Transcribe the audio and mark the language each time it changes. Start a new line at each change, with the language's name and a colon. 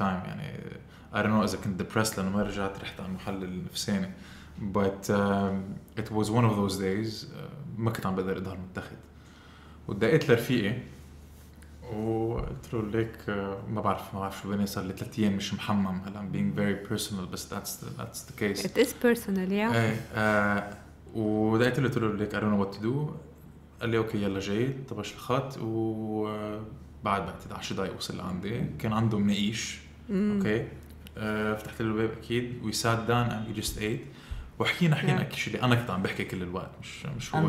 Arabic: يعني
English: I don't know
Arabic: إذا كنت depressed لأنه ما رجعت رحت على المحل النفساني.
English: But it was one of those days.
Arabic: ما كنت عم بقدر أظهر متخذ. ودقيت لرفيقي. وقلت له ليك ما بعرف ما بعرف شو بني، صار لي 3 أيام مش محمم. هلا
English: I'm being very personal بس that's the case. It is personal. yeah.
Arabic: ودقيت له قلت له ليك
English: I don't know what to do.
Arabic: قال لي اوكي يلا جاي طبش الخط، وبعد بعد 10 دقايق وصل لعندي. كان عنده مناقيش. اوكي فتحت له الباب اكيد.
English: We sat down and we just ate.
Arabic: وحكينا حكينا كل شيء اللي انا كنت عم بحكي كل الوقت، مش هو